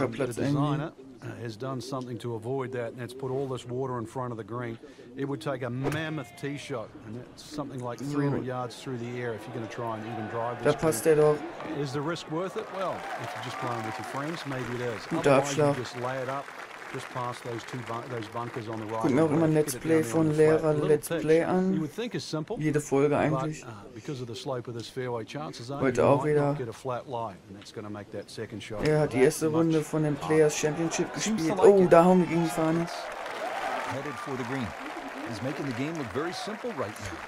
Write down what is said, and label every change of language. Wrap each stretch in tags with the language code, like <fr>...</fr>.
<en>designer has done something to avoid that, and it's put all this water in front of the green. It would take a mammoth tee shot, and it's something like 300 yards through the air if you're going to try and even drive this.</en> <de>Da passt der doch.</de> <en>Is the risk worth it? Well, if you're just playing with your friends, maybe it is.</en> <de>Guter Abschlag.</de> <en>Just lay it up, just past those two those bunkers on the right.</en> <de>Guck mir auch immer Let's Play von Lehrer Let's Play an.</de> <en>You would think it's simple.</en> <de>Jede Folge eigentlich.</de> <en>Because of the slope of this fairway, chances are you might not get a flat lie, and that's going to make that second shot.</en> <de>Er hat die erste Runde von dem Players Championship gespielt. Oh, da haben wir gegen fahren.</de> <en>Headed for the green. He's making the game look very simple right now.</en>